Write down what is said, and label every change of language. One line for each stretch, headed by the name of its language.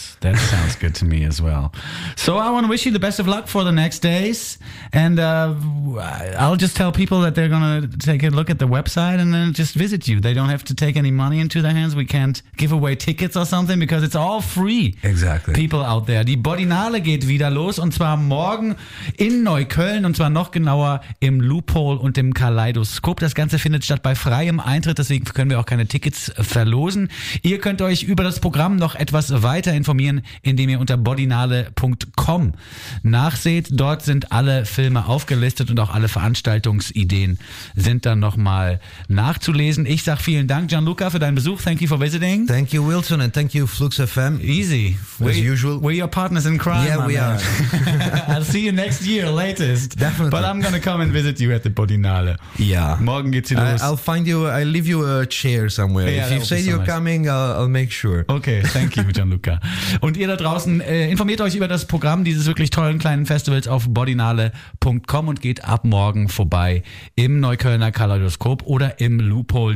English: Yes, that sounds good to me as well. So I want to wish you the best of luck for the next days. And I'll just tell people that they're gonna take a look at the website and then just visit you. They don't have to take any money into their hands. We can't give away tickets or something because it's all free. Exactly. People out there.
German: Die Berlinale geht wieder los, und zwar morgen in Neukölln, und zwar noch genauer im Loophole und im Kaleidoskop. Das Ganze findet statt bei freiem Eintritt, deswegen können wir auch keine Tickets verlosen. Ihr könnt euch über das Programm noch etwas weiter informieren. abonnieren, indem ihr unter bodynale.com nachseht. Dort sind alle Filme aufgelistet und auch alle Veranstaltungsideen sind dann nochmal nachzulesen. Ich sage vielen Dank, Gianluca, für deinen Besuch.
English: Thank you for visiting. Thank you, Wilson, and thank you, Flux FM. Easy. As usual. We're your partners in crime. Yeah, we are. I'll see you next year, latest. Definitely. But I'm going to come and visit you at the Bodinale. Yeah.
German: Morgen geht's los.
English: I'll leave you a chair somewhere. Yeah, if you say you're coming, I'll make sure. Okay, thank you, Gianluca.
German: Und ihr da draußen, informiert euch über das Programm dieses wirklich tollen kleinen Festivals auf bodinale.com und geht ab morgen vorbei im Neuköllner Kaleidoskop oder im Loophole.